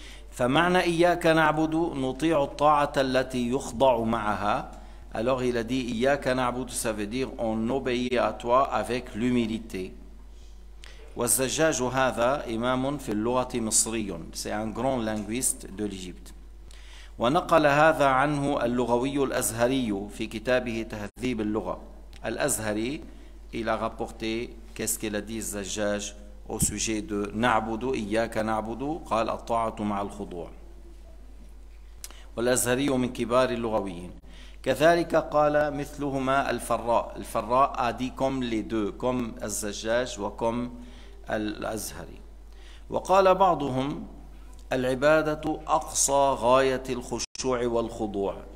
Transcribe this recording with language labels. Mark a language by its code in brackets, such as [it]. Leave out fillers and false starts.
[ar] فمعنى إياك نعبد نطيع الطاعة التي يخضع معها. [fr] Alors il a dit, [ar] إياك نعبد, [fr] ça veut dire on obéit à toi avec l'humilité. [ar] والزجاج هذا إمام في اللغة مصري, [fr] c'est un grand linguiste de l'Égypte. [ar] ونقل هذا عنه اللغوي الأزهري في كتابه تهذيب اللغة. [fr] الأزهري, il a rapporté qu'est-ce qu'il a dit الزجاج au sujet de نعبد, [ar] إياك نعبد, قال الطاعة مع الخضوع. والأزهري من كبار اللغويين. كذلك قال مثلهما الفراء. الفراء أدي كم لدو كم الزجاج وكم الأزهري. وقال بعضهم العبادة أقصى غاية الخشوع والخضوع.